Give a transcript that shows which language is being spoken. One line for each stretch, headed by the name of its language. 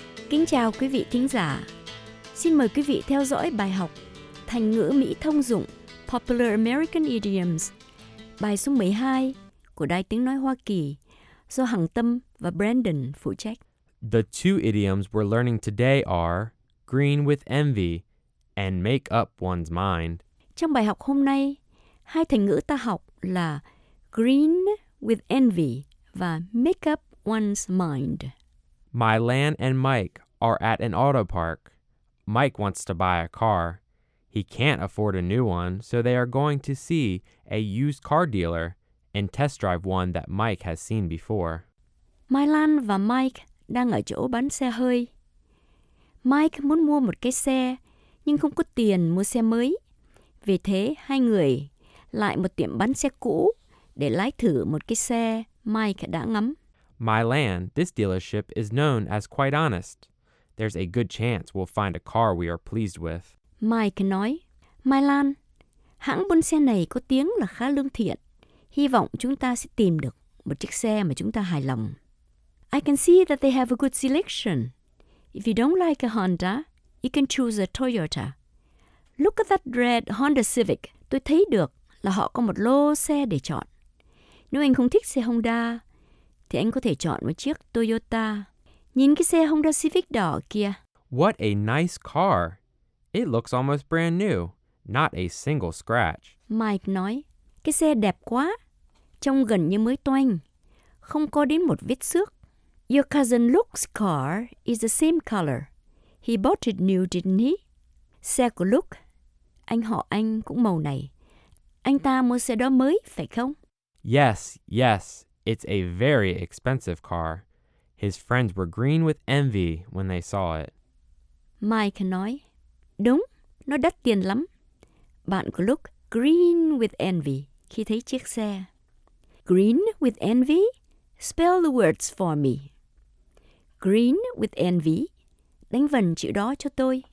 Vietnamese: Kính chào quý vị thính giả. Xin mời quý vị theo dõi bài học thành ngữ Mỹ thông dụng
English: Popular American Idioms,
Vietnamese: bài số 12 của Đài Tiếng Nói Hoa Kỳ do Hằng Tâm và Brandon phụ trách.
English: The two idioms we're learning today are green with envy and make up one's mind.
Vietnamese: Trong bài học hôm nay, hai thành ngữ ta học là
English: green with envy
Vietnamese: và
English: make up one's mind. My Lan and Mike are at an auto park. Mike wants to buy a car. He can't afford a new one, so they are going to see a used car dealer and test drive one that Mike has seen before.
Vietnamese: My Lan và Mike đang ở chỗ bán xe hơi. Mike muốn mua một cái xe, nhưng không có tiền mua xe mới. Vì thế, hai người lại một tiệm bán xe cũ để lái thử một cái xe Mike đã ngắm.
English: My Lan, this dealership is known as quite honest. There's a good chance we'll find a car we are pleased with.
Vietnamese: Mike nói, My Lan, hãng buôn xe này có tiếng là khá lương thiện. Hy vọng chúng ta sẽ tìm được một chiếc xe mà chúng ta hài lòng.
English: I can see that they have a good selection. If you don't like a Honda, you can choose a Toyota. Look at that red Honda Civic.
Vietnamese: Tôi thấy được là họ có một lô xe để chọn. Nếu anh không thích xe Honda, thì anh có thể chọn một chiếc Toyota. Nhìn cái xe Honda Civic đỏ kia.
English: What a nice car. It looks almost brand new. Not a single scratch.
Vietnamese: Mike nói, cái xe đẹp quá. Trông gần như mới toanh. Không có đến một vết xước.
English: Your cousin Luke's car is the same color. He bought it new, didn't he?
Vietnamese: Xe của Luke, anh họ anh cũng màu này. Anh ta mua xe đó mới, phải không?
English: Yes, yes. It's a very expensive car. His friends were green with envy when they saw it.
Vietnamese: Mike nói, đúng, nó đắt tiền lắm. Bạn của Luke
English: green with envy
Vietnamese: khi thấy chiếc xe.
English: Green with envy? Spell the words for me. Green with envy?
Vietnamese: Đánh vần chữ đó cho tôi.